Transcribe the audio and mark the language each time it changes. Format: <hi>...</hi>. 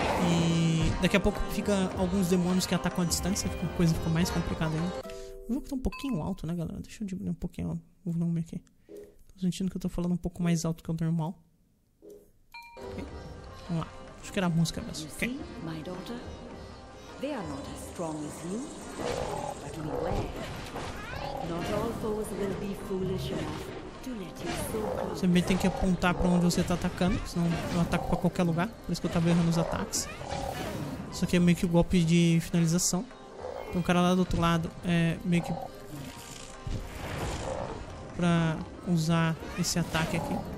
<pt>E daqui a pouco fica alguns demônios que atacam a distância. A coisa fica mais complicada ainda. O jogo tá um pouquinho alto, né, galera? Deixa eu diminuir um pouquinho o volume aqui. sentindo que eu tô falando um pouco mais alto que o normal. Okay. Vamos lá. Acho que era a música mesmo. Ok.</pt> <en>They are not as strong as you, but beware. Not all foes will be foolish enough to let you so close.</en> <pt>Você tem que apontar para onde você tá atacando, senão eu ataco para qualquer lugar. Por isso que eu tava errando os ataques. Isso aqui é meio que o golpe de finalização. Então o cara lá do outro lado é meio que para usar esse ataque aqui.</pt>